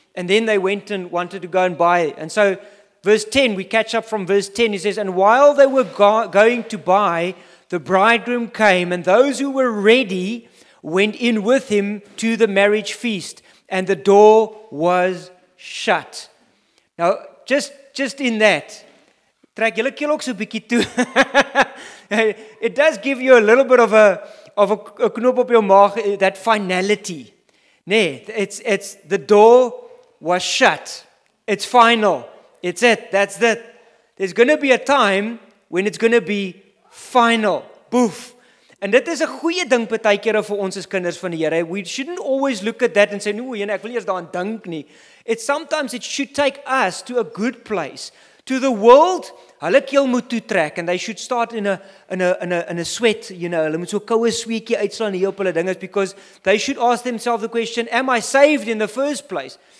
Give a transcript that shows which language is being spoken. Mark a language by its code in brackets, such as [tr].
[en] And then they went and wanted to go and buy it. And so, verse 10, we catch up from verse 10. He says, and while they were going to buy, the bridegroom came, and those who were ready went in with him to the marriage feast, and the door was shut. Now, just in that, [af] trek julle keel ook so 'n bietjie toe. [en] It does give you a little bit of a [af] knoop op jou maag, [en] that finality. [af] Nee, [en] it's the door was shut. It's final. It's it. That's it. There's going to be a time when it's going to be final. [af] Boef. En dit is 'n goeie ding partykeer vir ons as kinders van die Here. [en] We shouldn't always look at that and say, [af] "Nee, ek wil eers daaraan dink nie." [en] It sometimes it should take us to a good place. To the world, [af] hulle keel moet toetrek [en] and they should start in a sweat, you know. [af] Hulle moet so koue sweetjie uitslaan hier op hulle dinges [en] because they should ask themselves the question, am I saved in the first place?